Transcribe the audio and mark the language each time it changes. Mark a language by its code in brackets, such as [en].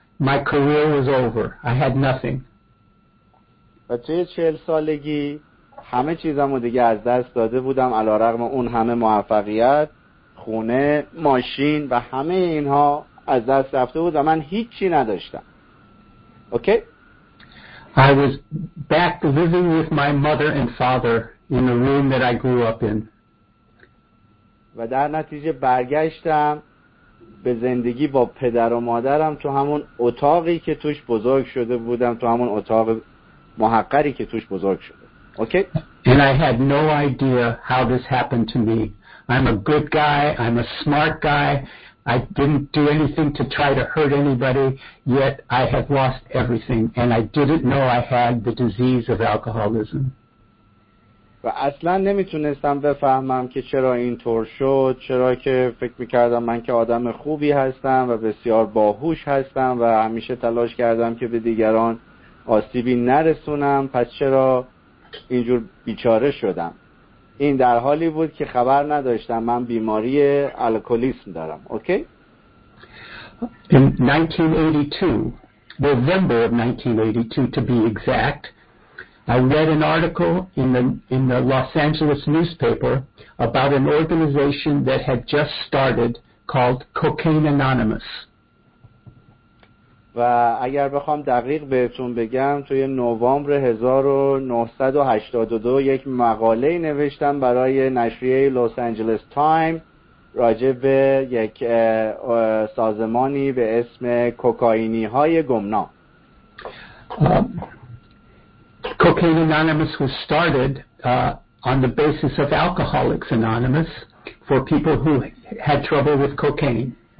[en] My career was over. I had nothing. But [fa] 40 سالگی همه چیزمو دیگه از دست داده بودم علی رغم اون همه موفقیت، خونه، ماشین و همه اینها از دست رفته بود و من هیچی نداشتم. [en] Okay? I was back living with my mother and father. In the room that I grew up in. [fa] و در نتیجه برگشتم به زندگی با پدر و مادرم تو همون اتاقی که توش بزرگ شده بودم تو همون اتاق محقری که توش بزرگ شده. [en] Okay? And I had no idea how this happened to me. I'm a good guy. I'm a smart guy. I didn't do anything to try to hurt anybody. Yet I had lost everything, and I didn't know I had the disease of alcoholism. [fa] و اصلا نمیتونستم بفهمم که چرا اینطور شد، چرا که فکر میکردم من که آدم خوبی هستم و بسیار باهوش هستم و همیشه تلاش کردم که به دیگران آسیبی نرسونم، پس چرا اینجور بیچاره شدم. این در حالی بود که خبر نداشتم من بیماری الکولیسم دارم. [en] Okay? In 1982, November of 1982 to be exact, I read an article in the Los Angeles newspaper about an organization that had just started called Cocaine Anonymous. [fa] و اگر بخوام دقیق بهتون بگم توی نوامبر 1982 یک مقاله نوشتم برای نشریه لس آنجلس تایم راجع به یک سازمانی به اسم کوکائینی های گمنام. [en] Cocaine Anonymous was started on the basis of Alcoholics Anonymous for people who had trouble with cocaine.